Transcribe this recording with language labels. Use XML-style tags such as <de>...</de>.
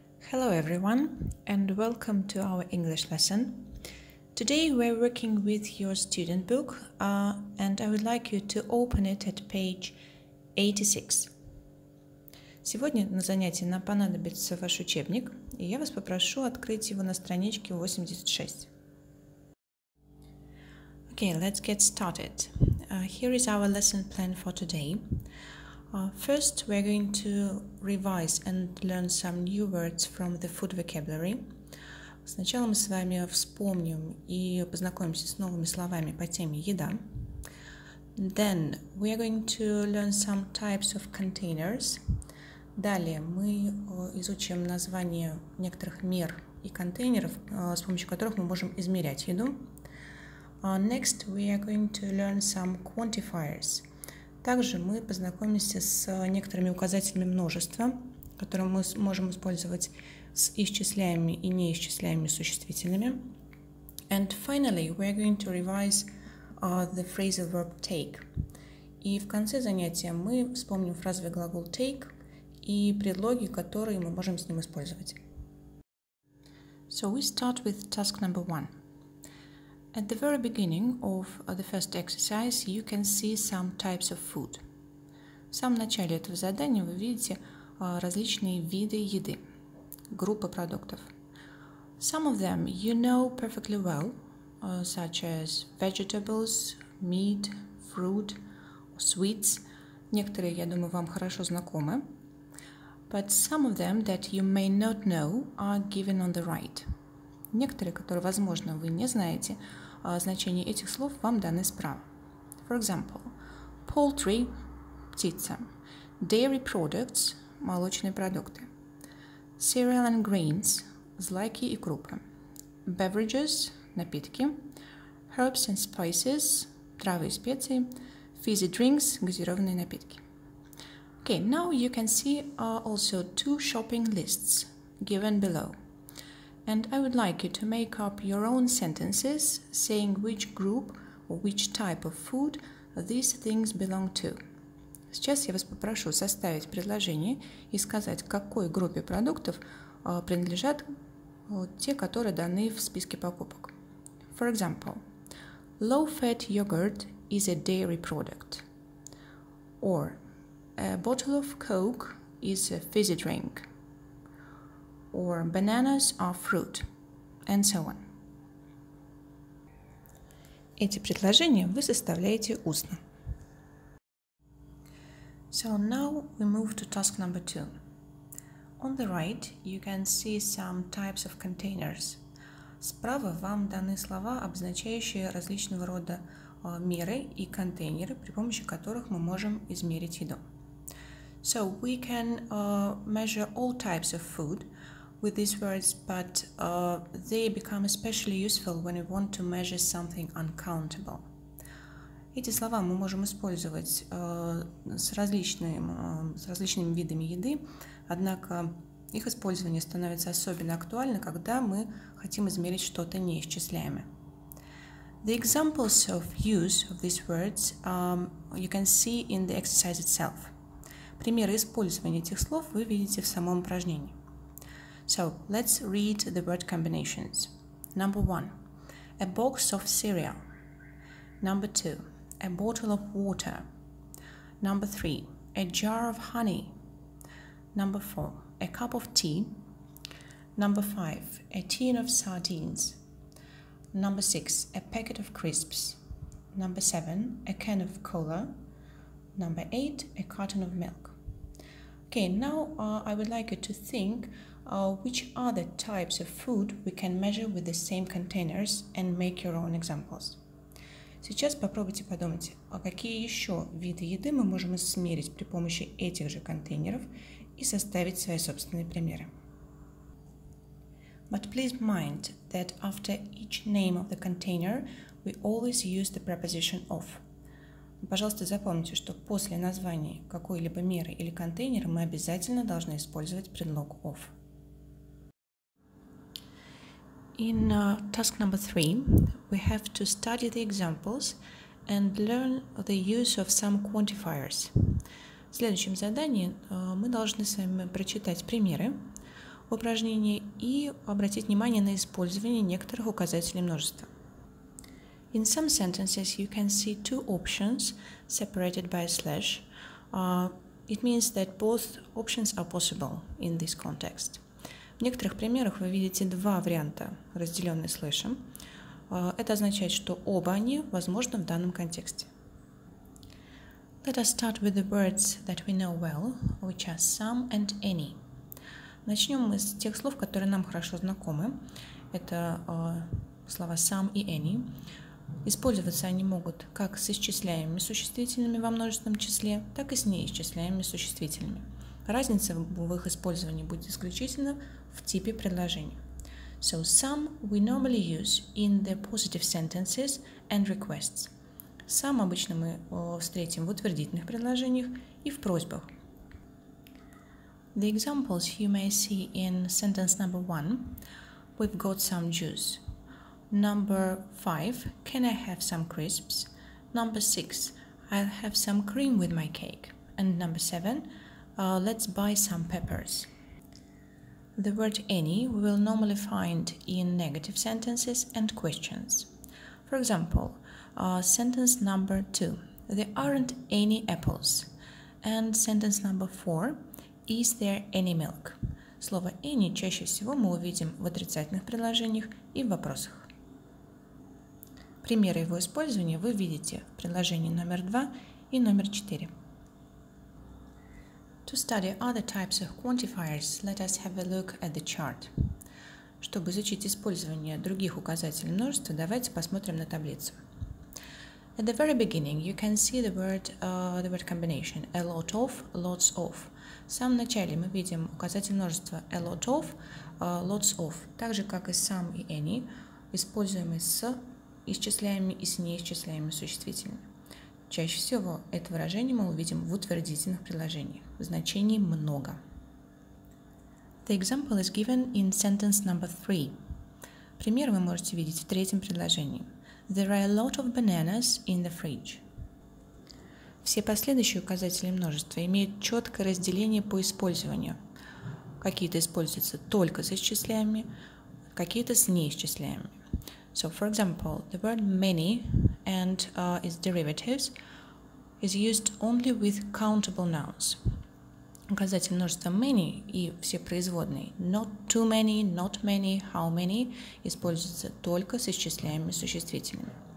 <en>Hello everyone, and welcome to our English lesson. Today we're working with your student book, and I would like you to open it at page 86.</en> <ru>Сегодня на занятии нам понадобится ваш учебник, и я вас попрошу открыть его на страничке 86.</ru> <en>Okay, let's get started. Here is our lesson plan for today. First, we're going to revise and learn some new words from the food vocabulary.</en> <ru>Сначала мы с вами вспомним и познакомимся с новыми словами по теме еда.</ru> <en>Then, we are going to learn some types of containers.</en> <ru>Далее, мы изучим название некоторых мер и контейнеров, с помощью которых мы можем измерять еду.</ru> <en>Next, we are going to learn some quantifiers.</en> <ru>Также мы познакомимся с некоторыми указателями множества, которые мы можем использовать с исчисляемыми и неисчисляемыми существительными.</ru> <en>And finally, we are going to revise the phrasal verb take.</en> <ru>И в конце занятия мы вспомним фразовый глагол take и предлоги, которые мы можем с ним использовать.</ru> <en>So we start with task number one. At the very beginning of the first exercise, you can see some types of food.</en> <ru>В самом начале этого задания вы видите различные виды еды, группы продуктов.</ru> <en>Some of them you know perfectly well, such as vegetables, meat, fruit, sweets.</en> <ru>Некоторые, я думаю, вам хорошо знакомы.</ru> <en>But some of them that you may not know are given on the right.</en> <ru>Некоторые, которые, возможно, вы не знаете, значение этих слов вам даны справа.</ru> <en>For example, poultry – птица, dairy products –</en> <ru>молочные продукты,</ru> <en>cereal and grains –</en> <ru>злаки и крупы,</ru> <en>beverages – напитки, herbs and spices –</en> <ru>травы и специи,</ru> <en>fizzy drinks –</en> <ru>газированные напитки.</ru> <en>Okay, now you can see also two shopping lists given below. And I would like you to make up your own sentences saying which group or which type of food these things belong to.</en> <ru>Сейчас я вас попрошу составить предложение и сказать, к какой группе продуктов принадлежат те, которые даны в списке покупок.</ru> <en>For example, low-fat yogurt is a dairy product. Or a bottle of Coke is a fizzy drink. Or bananas are fruit, and so on.</en> <ru>Эти предложения вы составляете устно.</ru> <en>So now we move to task number two. On the right you can see some types of containers.</en> <ru>Справа вам даны слова, обозначающие различного рода меры и контейнеры, при помощи которых мы можем измерить еду.</ru> <en>So we can measure all types of food with these words, but they become especially useful when we want to measure something uncountable.</en> <ru>Эти слова мы можем использовать с различными видами еды, однако их использование становится особенно актуально, когда мы хотим измерить что-то неисчисляемое.</ru> <en>The examples of use of these words you can see in the exercise itself.</en> <ru>Примеры использования этих слов вы видите в самом упражнении.</ru> <en>So, let's read the word combinations. Number one, a box of cereal. Number two, a bottle of water. Number three, a jar of honey. Number four, a cup of tea. Number five, a tin of sardines. Number six, a packet of crisps. Number seven, a can of cola. Number eight, a carton of milk. Okay, now I would like you to think which are the types of food we can measure with the same containers and make your own examples.</en> <ru>Сейчас попробуйте подумать, а какие еще виды еды мы можем измерить при помощи этих же контейнеров и составить свои собственные примеры.</ru> <en>But please mind that after each name of the container, we always use the preposition of.</en> <ru>Пожалуйста, запомните, что после названия какой-либо меры или контейнера мы обязательно должны использовать предлог of.</ru> <en>In task number three, we have to study the examples and learn the use of some quantifiers.</en> <ru>В следующем задании мы должны с вами прочитать примеры, в упражнении и обратить внимание на использование некоторых указателей множества.</ru> <en>In some sentences, you can see two options separated by a slash. It means that both options are possible in this context.</en> <ru>В некоторых примерах вы видите два варианта, разделенные слэшем. Это означает, что оба они возможны в данном контексте.</ru> <en>Let us start with the words that we know well, which are some and any.</en> <ru>Начнем мы с тех слов, которые нам хорошо знакомы. Это слова some и any. Использоваться они могут как с исчисляемыми существительными во множественном числе, так и с неисчисляемыми существительными. Разница в их использовании будет исключительно в типе предложения.</ru> <en>So some we normally use in the positive sentences and requests.</en> <ru>Some обычно мы встретим в утвердительных предложениях и в просьбах.</ru> <en>The examples you may see in sentence number one. We've got some juice. Number five. Can I have some crisps? Number six. I'll have some cream with my cake. And number seven. Let's buy some peppers. The word any we will normally find in negative sentences and questions. For example, sentence number two. There aren't any apples. And sentence number four. Is there any milk?</en> <ru>Слово any чаще всего мы увидим в отрицательных предложениях и в вопросах. Примеры его использования вы видите в предложении номер 2 и номер 4.</ru> <en>To study other types of quantifiers, let us have a look at the chart.</en> <ru>Чтобы изучить использование других указателей множества, давайте посмотрим на таблицу.</ru> <en>At the very beginning, you can see the word combination, a lot of, lots of.</en> <ru>В самом начале мы видим указатель множества</ru> <en>a lot of, lots of,</en> <ru>так же, как и some и any, используемые с исчисляемыми и с неисчисляемыми существительными. Чаще всего это выражение мы увидим в утвердительных предложениях. Значений много.</ru> <en>The example is given in sentence number three.</en> <ru>Пример вы можете видеть в третьем предложении.</ru> <en>There are a lot of bananas in the fridge.</en> <ru>Все последующие указатели множества имеют четкое разделение по использованию. Какие-то используются только с исчисляемыми, какие-то с неисчисляемыми.</ru> <en>So, for example, the word many and its derivatives is used only with countable nouns.</en> <ru>Указатель множества many и все производные</ru> <en>not too many, not many, how many</en> <ru>используются только с исчисляемыми существительными.</ru>